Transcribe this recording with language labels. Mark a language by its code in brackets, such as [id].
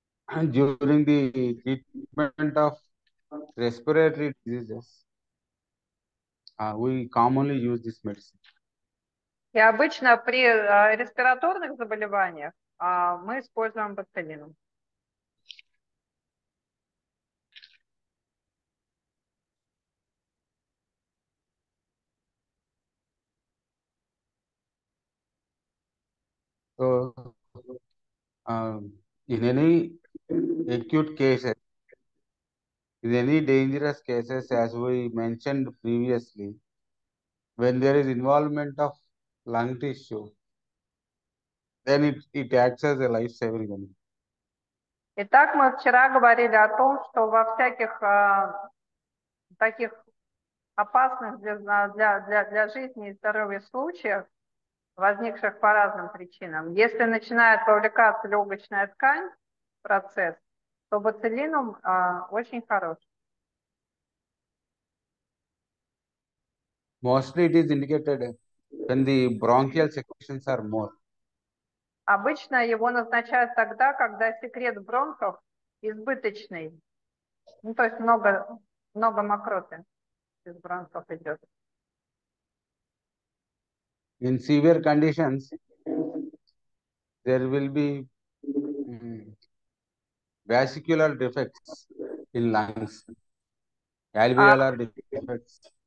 [en] And during the treatment of respiratory diseases, we commonly use this medicine. [ru] И обычно при респираторных заболеваниях мы используем пенициллин. [en] So, in any acute cases, in any dangerous cases, as we mentioned previously, when there is involvement of lung tissue, then it acts as a life-saving agent. [ru] Итак, мы вчера говорили о том, что во всяких таких опасных для жизни и здоровья случаях, возникших по разным причинам, если начинает вовлекаться легочная ткань в процесс, то бацилином очень хорош. [en] Mostly it is indicated when the bronchial secretions are more. [ru] Обычно его назначают тогда, когда секрет бронхов избыточный. Ну, то есть много мокроты из бронхов идет. [en] In severe conditions, there will be vascular defects in lungs, alveolar defects.